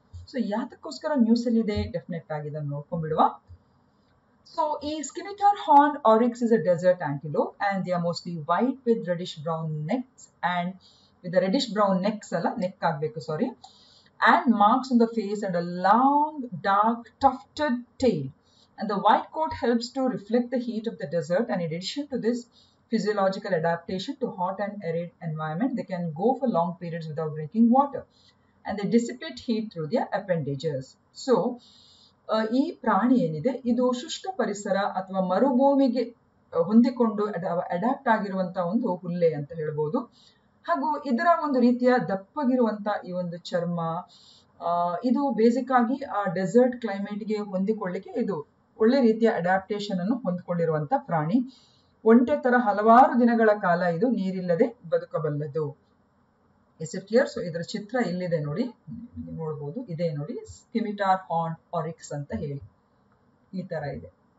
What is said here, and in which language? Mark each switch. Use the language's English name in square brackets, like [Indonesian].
[Kannada] So ಯಾತಕ್ಕೋಸ್ಕರ news ಅಲ್ಲಿ ಇದೆ, ಡೆಫಿನೆಟ್ ಆಗಿ ಇದನ್ನು ನೋಡ್ಕೊಂಡ್ಬಿಡುವ. [English] so ಈ scimitar horn oryx is a desert antelope and the are mostly white with reddish brown necks and with reddish brown necks [Kannada] ಅಲ್ಲ neck ಆಗ್ಬೇಕು ಸಾರಿ [English] And marks on the face and a long dark tufted tail. And the white coat helps to reflect the heat of the desert. And in addition to this physiological adaptation to hot and arid environment, they can go for long periods without drinking water. And they dissipate heat through their appendages. [Kannada] So, ee prani enide idu shushka parisara athwa marubhumige hondikondu adapt agiruvanta ondu hulle anta helabodu. Hagu idara ondu reetiya dappagiruvanta ee ondu charma idu basic agi aa desert climate ge hondikollike idu ಒಳ್ಳೆ ರೀತಿಯ adaptation ಅನ್ನು ಹೊಂದಿಕೊಂಡಿರುವಂತ ಪ್ರಾಣಿ. ಒಂಟೆ ತರ ಹಲವಾರು ದಿನಗಳ ಕಾಲ ಇದು ನೀರಿಲ್ಲದೆ ಬದುಕಬಲ್ಲದು. [English] Is it clear? [Kannada] ಸೊ ಇದರ ಚಿತ್ರ ಇಲ್ಲಿದೆ ನೋಡಿ, ನೋಡಬಹುದು, ಇದೇ ನೋಡಿ ಸ್ಕಿಮಿಟಾರ್ ಹಾರ್ನ್ ಆರಿಕ್ಸ್ ಅಂತ ಹೇಳಿ ಈ ತರ ಇದೆ.